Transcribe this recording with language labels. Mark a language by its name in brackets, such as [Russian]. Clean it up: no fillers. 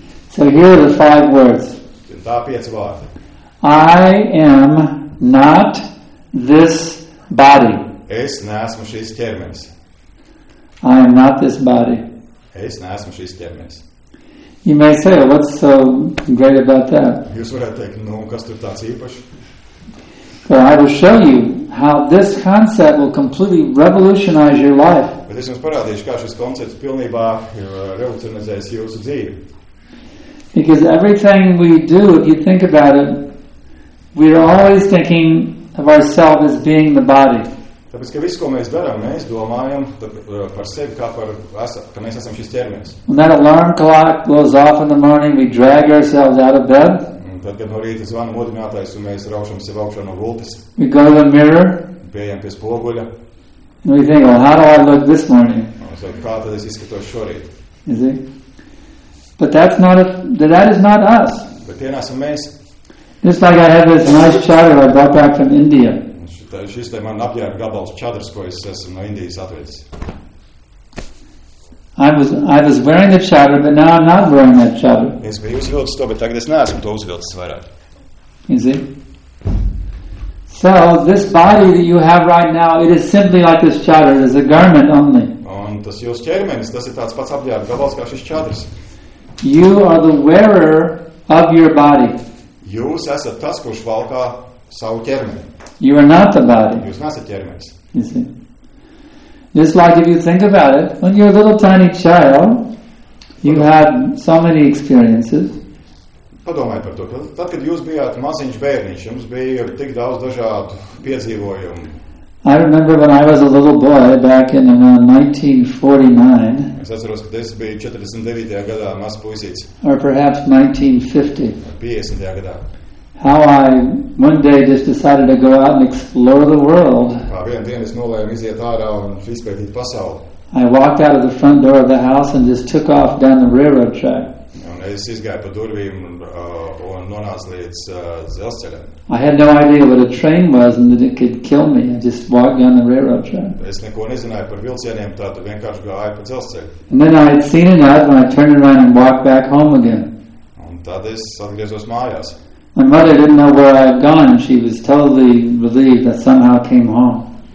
[English] So here are the five words. [Latvian] Tā pieci vārdi. [English] I am not this body. [Latvian] Es neesmu šīs ķermenis. [English] I am not this body. [Latvian] Es neesmu šīs ķermenis. [English] You may say, what's so great about that? [Latvian] Jūs varētu teikt, nu, kas tur tāds īpašs? [English] But I will show you how this concept will completely revolutionize your life. [Latvian] Bet es jums parādīšu, kā šis koncepts pilnībā revolucionizēs jūsu dzīvi. [English] Because everything we do, if you think about it, we are always thinking of ourselves as being the body. [Latvian] Tāpēc, ka visu, ko mēs darām, mēs domājam par sevi, kā par, ka mēs esam šis ķermenis. [English] When that alarm clock goes off in the morning, we drag ourselves out of bed. [Latvian] Tad, kad no rīta zvana modinātājs, un mēs raušam sev augšā no gultas. [English] We go to the mirror. [Latvian] Pējam pie spoguļa. [English] And we think, well, how do I look this morning? [Latvian] So, kā tad es izskatos šorīt? [English] You see? But that's not a, that is not us. [Latvian] Bet tie nesam mēs. [English] Just like I have this nice chadar I brought back from India. [Latvian] Šis te man apjāk gabals čadars, ko es esmu no Indijas atvedis. [English] I was wearing the chadar, but now I'm not wearing that chadar. [Latvian] Es biju uzvilcis to, bet tagad es neesmu to uzvilcis vairāk. [English] You see? So this body that you have right now, it is simply like this chadar, it is a garment only. [Latvian] Un tas jūs ķermenis, tas ir tāds pats apģērba gabals kā šis čadars. [English] You are the wearer of your body. [Latvian] Jūs esat tas, kurš valkā savu ķermeni. [English] You are not the body. [Latvian] Jūs nesat ķermenis. [English] You see? Just like if you think about it, when you're a little tiny child, you had so many experiences. [Latvian] Padomājiet par to. Tad, kad jūs bijāt maziņš bērniņš, jums bija tik daudz dažādu piedzīvojumu. [English] I remember when I was a little boy back in 1949. [Latvian] Es atceros, ka es biju 49. Gadā mazs puisīts. [English] Or perhaps 1950. [Latvian] 50. Gadā. [English] How I one day just decided to go out and explore the world. [Latvian] Kā vienu dienu es nolēmu iziet ārā un izpētīt pasauli. [English] I walked out of the front door of the house and just took off down the railroad track. [Latvian] Es izgāju pa durvīm un nonācu līdz dzelzceļam. [English] I had no idea what a train was and that it could kill me. I just walked down the railroad track. [Latvian] Es neko nezināju par vilcieniem, tad vienkārši gāju pa dzelzceļu. [English] And then I had seen enough and I turned around and walked back home again. [Latvian] Un tad es atgriezos mājās. [English] My mother didn't know where I had gone. She was totally relieved that somehow came home.